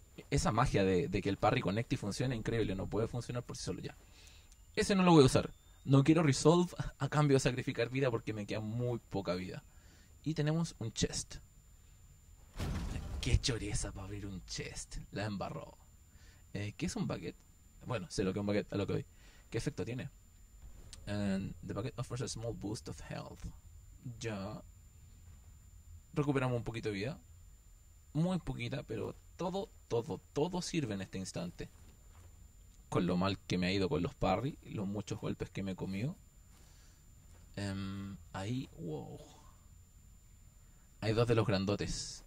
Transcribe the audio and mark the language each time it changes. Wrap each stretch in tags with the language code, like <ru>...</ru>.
<es>Esa magia de que el parry conecte y funcione es increíble. No puede funcionar por sí solo ya. Ese no lo voy a usar. No quiero resolve a cambio de sacrificar vida porque me queda muy poca vida. Y tenemos un chest. ¡Qué choreza para abrir un chest! La embarró. ¿Qué es un bucket? Bueno, sé lo que es un bucket, a lo que voy. ¿Qué efecto tiene?</es> <en>The bucket offers a small boost of health.</en> <es>Ya. Recuperamos un poquito de vida. Muy poquita, pero todo sirve en este instante. Con lo mal que me ha ido con los parry, los muchos golpes que me he comido. Ahí, wow. Hay dos de los grandotes.</es>